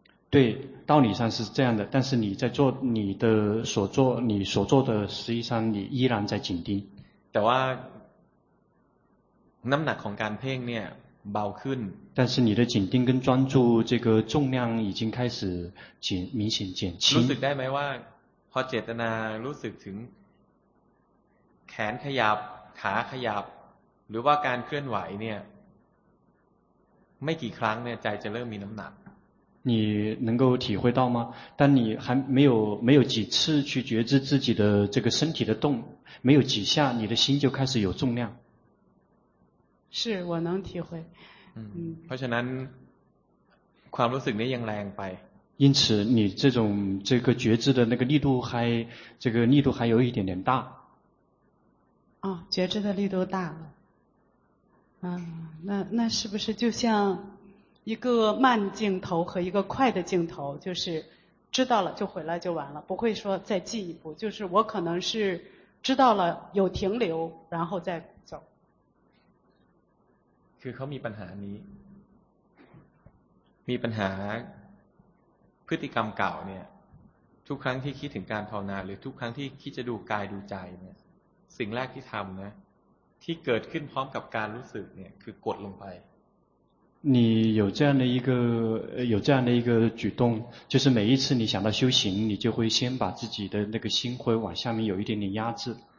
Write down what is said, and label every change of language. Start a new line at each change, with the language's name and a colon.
Chinese: 对道理上是这样的但是你在做你的所做你所做的实际上你依然在紧盯
Thai: แต่ว่าน้ำหนักของการเพ่งเนี่ยเบาขึ้น
Chinese: 但是你的紧盯跟专注这个重量已经开始明显减轻
Thai: รู้สึกได้ไหมว่าพอเจตนารู้สึกถึงแขนขยับขาขยับหรือว่าการเคลื่อนไหวเนี่ยไม่กี่ครั้งเนี่ยใจจะเริ่มมีน้ำหนัก
Chinese: 你能够体会到吗？但你还没有几次去觉知自己的这个身体的动，没有几下，你的心就开始有重量。是我能体会。
Thai: เพราะฉะนั้นความรู้สึกนี้ยังแรงไป。
Chinese: 因此，你这种这个觉知的那个力度还这个力度还有一点点大。哦，觉知的力度大了。那是不是就像？一个慢镜头和一个快的镜头就是知道了就回来就完了不会说再进一步就是我可能是知道了有停留然后再走
Thai: คือเขามีปัญหานี้มีปัญหาพฤติกรรมเก่าเนี่ยทุกครั้งที่คิดถึงการภาวนาหรือทุกครั้งที่คิดจะดูกายดูใจเนี่ยสิ่งแรกที่ทำนะที่เกิดขึ้นพร้อมกับการรู้สึกเนี่ยคือกดลงไป
Chinese: 你有这样的一个有这样的一个举动就是每一次你想到修行你就会先把自己的那个心会往下面有一点点压制